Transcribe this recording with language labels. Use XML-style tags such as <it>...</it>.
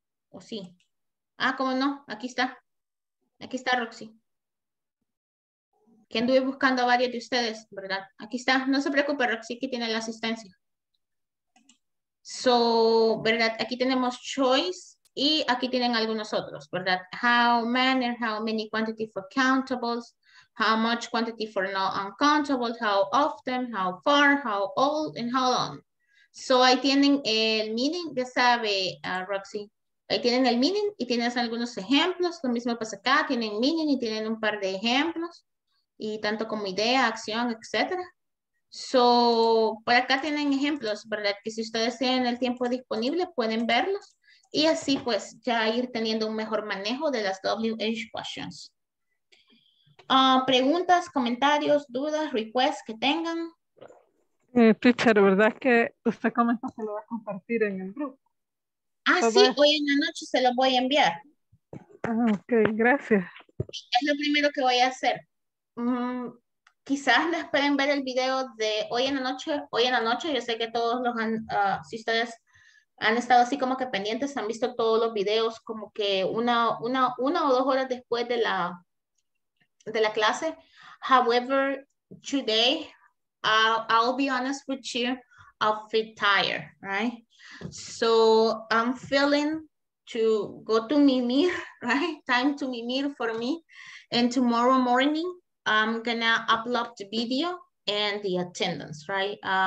<es>¿O sí? Ah, ¿cómo no? Aquí está. Aquí está Roxy. Que anduve buscando a varios de ustedes, ¿verdad? Aquí está. No se preocupe, Roxy, que tiene la asistencia. So, ¿verdad? Aquí tenemos choice y aquí tienen algunos otros, ¿verdad?</es> <en>How, manner, how many, quantity for countables, how much, quantity for not uncountable, how often, how far, how old, and how long.</en> <es>So, ahí tienen el meaning, ya sabe, Roxy. Ahí tienen el meaning y tienes algunos ejemplos. Lo mismo pasa acá, tienen meaning y tienen un par de ejemplos. Y tanto como idea, acción, etc. So, por acá tienen ejemplos, ¿verdad? Que si ustedes tienen el tiempo disponible, pueden verlos. Y así, pues, ya ir teniendo un mejor manejo de las WH questions. Preguntas, comentarios, dudas, requests que tengan. Teacher, ¿verdad que usted comenta que lo va a compartir en el grupo? Ah, ¿sabes? Sí, hoy en la noche se lo voy a enviar. Ah, ok, gracias. Es lo primero que voy a hacer. Quizás les pueden ver el video de hoy en la noche. Hoy en la noche, yo sé que todos los han, si ustedes han estado así como que pendientes, han visto todos los videos como que una o dos horas después de la clase.</es> <en>However, today, I'll be honest with you, I'll feel tired, right? So I'm feeling to go to mimir, right? Time to mimir for me. And tomorrow morning, I'm gonna upload the video and the attendance, right?</en>